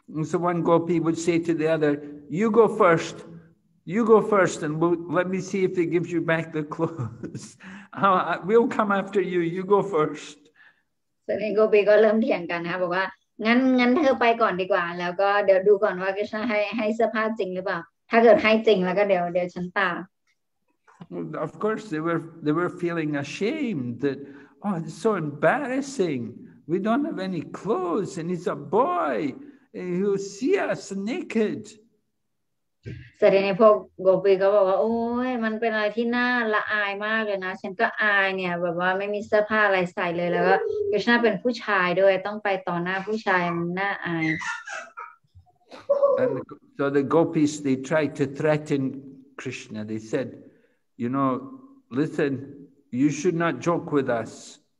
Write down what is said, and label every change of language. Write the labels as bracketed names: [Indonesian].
[English] So one gopi would say to the other, you go first and let me see if he gives you back the clothes. we'll come after you, you go first. So the gopi [Thai] ก็เริ่มเถียงกันนะบอกว่างั้นเธอไปก่อนดีกว่าแล้วก็เดี๋ยวดูก่อนว่าจะให้เสื้อผ้าจริงหรือเปล่าถ้าเกิดให้จริงแล้วก็เดี๋ยวฉันตาม [English] Of course, they were feeling ashamed that, oh, it's so embarrassing. We don't have any clothes and he's a boy. He'll see us naked. [Thai] แต่ในพวกโกปีก็บอกว่าโอ้ยมันเป็นอะไรที่น่าละอายมากเลยนะฉันก็อายเนี่ยแบบว่าไม่มีเสื้อผ้าอะไรใส่เลยแล้วก็คริชนาเป็นผู้ชายด้วยต้องไปต่อหน้าผู้ชายมันน่าอาย [English] And so the gopis they tried to threaten Krishna. They said, you know, listen, you should not joke with us.